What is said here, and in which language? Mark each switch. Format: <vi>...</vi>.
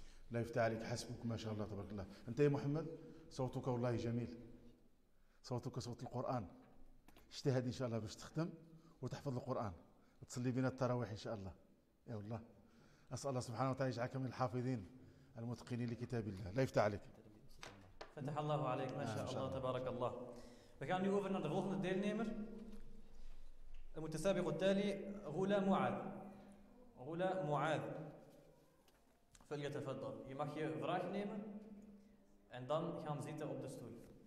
<ar>لا يفتح عليك حسبك ما شاء الله تبارك الله أنت يا محمد صوتك والله جميل صوتك صوت القرآن اجتهد إن شاء الله باش تخدم وتحفظ القرآن وتصلي بنا التراويح إن شاء الله يا الله أسأل الله سبحانه وتعالى يجعلك من الحافظين المتقنين لكتاب الله. لا يفتح عليك. فتح الله عليك ما شاء الله تبارك الله.</ar> <nl>We gaan nu over naar de volgende deelnemer.</nl> <ar>المتسابق التالي غولا معاذ. غولا معاذ. فليتفضل.</ar> <nl>Je mag je vraag nemen en dan gaan zitten op de stoel.</nl>